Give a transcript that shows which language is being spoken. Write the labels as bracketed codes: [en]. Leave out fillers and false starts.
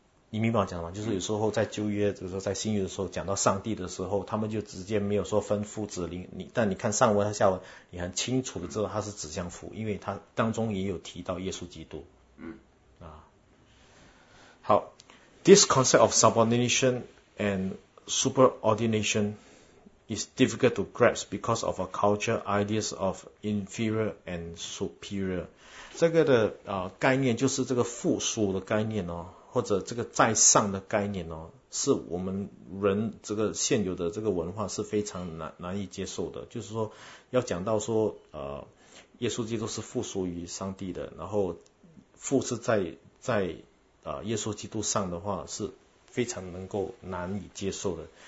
[zh] 你明白我讲吗？就是有时候在旧约就是说在新约的时候讲到上帝的时候，他们就直接没有说分父子灵，但你看上文和下文你很清楚的知道它是指向父，因为它当中也有提到耶稣基督。好， [en] This concept of subordination and superordination is difficult to grasp because of a culture ideas of inferior and superior. [zh] 这个的、概念就是这个附属的概念哦，或者这个在上的概念哦，是我们人这个现有的这个文化是非常 难以接受的。就是说要讲到说耶稣基督是附属于上帝的，然后附是在耶稣基督上的话是非常能够难以接受的。